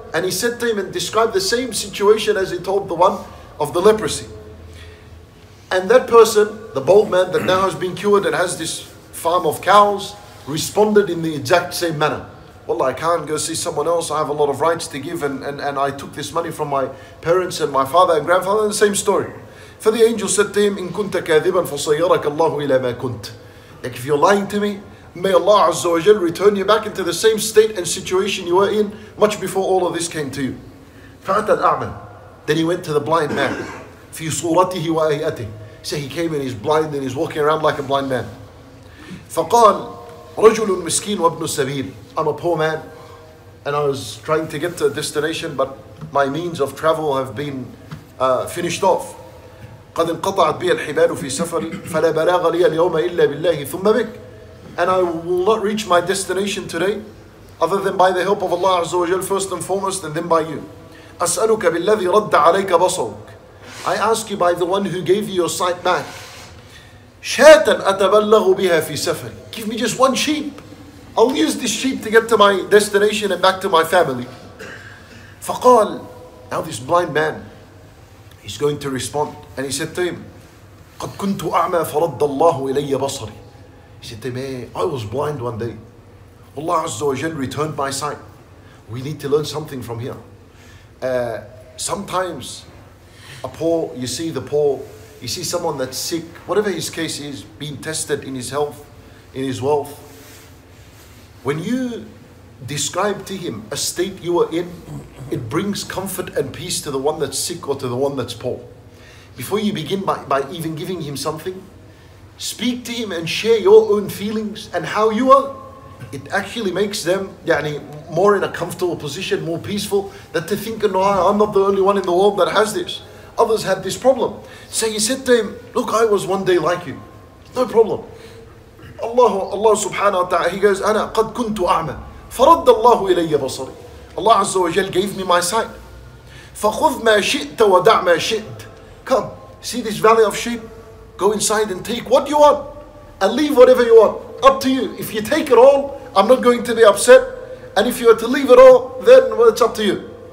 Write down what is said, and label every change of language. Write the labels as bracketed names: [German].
[English] And he said to him and described the same situation as he told the one of the leprosy. And that person, the bold man that now has been cured and has this farm of cows, responded in the exact same manner. Well, I can't go see someone else. I have a lot of rights to give and I took this money from my parents and my father and grandfather, and the same story. For the angel said to him, [Arabic] إِن كُنْتَ كَاذِبًا فَصَيَّرَكَ اللَّهُ إِلَى مَا كُنْتَ. [English] Like, if you're lying to me, may Allah Azza wa Jal return you back into the same state and situation you were in much before all of this came to you. [Arabic] فَأَتَى الْأَعْمَى. [English] Then he went to the blind man. [Arabic] فِي صُورَتِهِ وَأَهِئَتِهِ. [English] So he came and he's blind and he's walking around like a blind man. [Arabic] فَقَالَ رجل مسكين وابن السبيل. [English] I'm a poor man and I was trying to get to a destination, but my means of travel have been finished off. [Arabic] قد انقطعت بي الحبال في سفري فلا بلاغ لي اليوم إلا بالله ثم بك. [English] And I will not reach my destination today other than by the help of Allah Azza wa Jal first and foremost, and then by you. [Arabic] أسألك بالذي رد عليك بصرك. [English] I ask you by the one who gave you your sight back. [Arabic] شَاتًا أَتَبَلَّغُ بِهَا فِي سَفَرِ. [English] Give me just one sheep. I'll use this sheep to get to my destination and back to my family. [Arabic] فقال. [English] Now this blind man, he's going to respond. And he said to him, [Arabic] قَدْ كُنْتُ أَعْمَى فَرَدَّ اللَّهُ إِلَيَّ بَصَرِ. [English] He said to him, I was blind one day. Allah Azza wa Jal returned my sight. We need to learn something from here. Sometimes you see someone that's sick, whatever his case is, being tested in his health, in his wealth. When you describe to him a state you are in, it brings comfort and peace to the one that's sick or to the one that's poor. Before you begin by even giving him something, speak to him and share your own feelings and how you are. It actually makes them more in a comfortable position, more peaceful, that to think, no, I'm not the only one in the world that has this. Others had this problem. So he said to him, look, I was one day like you. No problem. [Arabic] Allah subhanahu wa ta'ala, he goes, أنا قد كنت أعمى فرد الله إلي بصري. [English] Allah Azza wa Jal gave me my sight. [Arabic] فخذ ما شئت ودع ما شئت. [English] Come, see this valley of sheep? Go inside and take what you want and leave whatever you want. Up to you. If you take it all, I'm not going to be upset. And if you are to leave it all, then well, it's up to you.